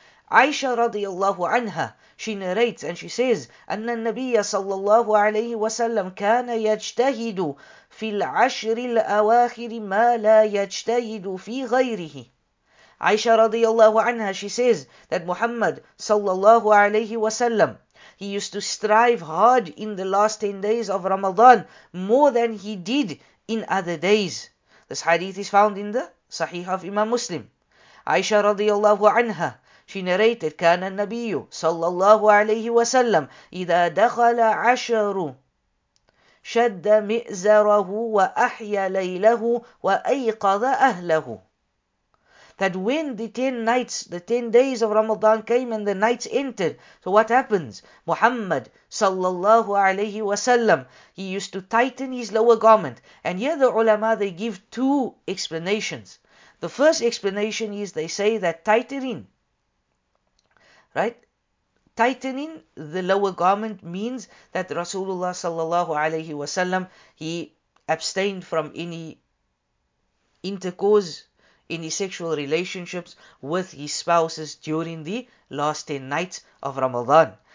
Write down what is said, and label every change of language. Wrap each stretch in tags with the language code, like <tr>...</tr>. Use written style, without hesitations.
<en>Aisha radiallahu anha, she narrates and she says,</en> <ar>أن النبي صلى الله عليه وسلم كان يجتهد في العشر الأواخر ما لا يجتهد في غيره.</ar> <en>Aisha radiallahu anha, she says that Muhammad صلى الله عليه وسلم, he used to strive hard in the last 10 days of Ramadan more than he did in other days. This hadith is found in the Sahih of Imam Muslim. Aisha radiallahu anha, she narrated,</en> <ar>كان النبي صلى الله عليه وسلم إذا دخل عشر شد مئزره وأحيا ليله وأيقظ أهله.</ar> <en>That when the 10 nights, the 10 days of Ramadan came and the nights entered, so what happens? Muhammad صلى الله عليه وسلم, he used to tighten his lower garment. And here the ulama, they give two explanations. The first explanation is they say that tightening the lower garment means that Rasulullah sallallahu alayhi wa sallam, he abstained from any intercourse, any sexual relationships with his spouses during the last 10 nights of Ramadan.</en>